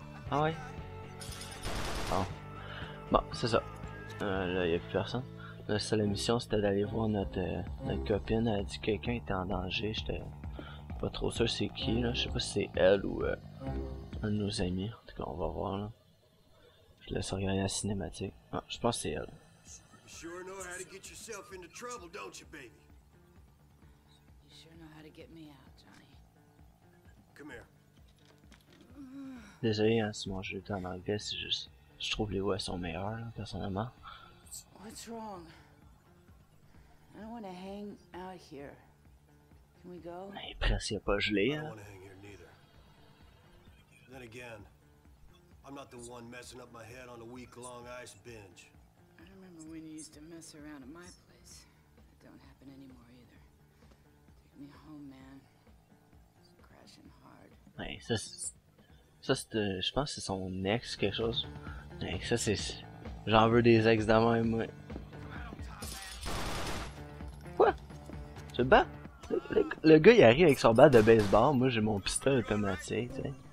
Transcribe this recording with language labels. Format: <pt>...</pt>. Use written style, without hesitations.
<fr>Ah ouais? Bon. Bon, c'est ça. Là, il y a plus personne. La seule mission, c'était d'aller voir notre copine. Elle a dit que quelqu'un était en danger. J'étais. Pas trop sûr c'est qui là, je sais pas si c'est elle ou un de nos amis, en tout cas on va voir là. Je laisse regarder la cinématique. Ah, je pense c'est elle.</fr> <en>You sure know how to get yourself into trouble, don't you, baby? You sure know how to get me out, Johnny. Come here.</en> <fr>Désolé hein, si mon jeu est en anglais, c'est juste. Je trouve les voix sont meilleures là, personnellement.</fr> <en>What's wrong? I don't wanna hang out here.</en> <fr>Mais presque y'a pas gelé, hein.</fr> <en>Again, I'm not the one messing up my head on a week long ice binge. I remember when you used to mess around at my place. That don't happen anymore either. Take me home, man. Crashing hard.</en> <fr>Mais ça c'est je pense que c'est son ex quelque chose. Mais ça c'est j'en veux des ex dans ma main. Quoi? Tu bats? Le gars il arrive avec son bat de baseball, moi j'ai mon pistolet automatique, t'sais.</fr>